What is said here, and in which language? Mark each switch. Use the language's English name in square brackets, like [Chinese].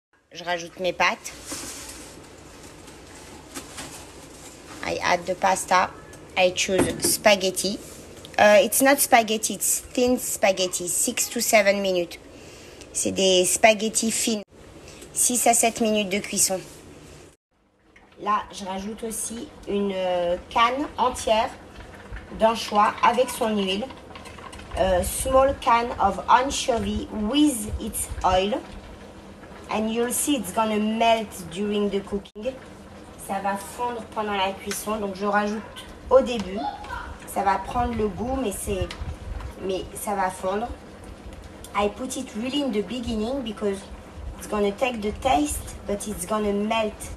[French] Je rajoute mes pâtes. [English] I add the pasta. I choose spaghetti. It's not spaghetti, it's thin spaghetti, 6 to 7 minutes. [French] C'est des spaghettis fines, 6 à 7 minutes de cuisson. Là, je rajoute aussi une canne entière d'anchois avec son huile. [English] A small can of anchovy with its oil. And you'll see it's gonna melt during the cooking. [French] Ça va fondre pendant la cuisson, donc je rajoute au début. Ça va prendre le goût, mais ça va fondre. [English] I put it really in the beginning because it's gonna take the taste, but it's gonna melt.